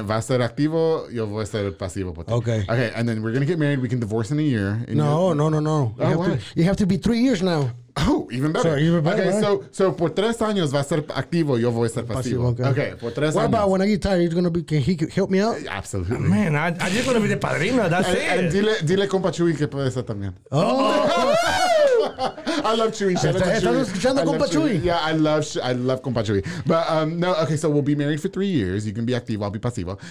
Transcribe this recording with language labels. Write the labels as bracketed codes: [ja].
[es] Va a ser activo, yo voy a ser pasivo. [en] Okay. Okay, and then we're going to get married. We can divorce in a year. No. You have to be 3 years now. Oh, even better. Sorry, even better. Okay, right. [es] So por tres años va a ser activo, yo voy a ser pasivo. Okay, por tres [en] what [es] años. [en] What about when I get tired, can he help me out? Absolutely. Oh, man, I just want to be the padrino, that's it. [es] And dile compa Chuy que puede ser también. Oh! [en] I love Chuy. I love compa Chuy. But okay, so we'll be married for 3 years. You can be activo, I'll be pasivo.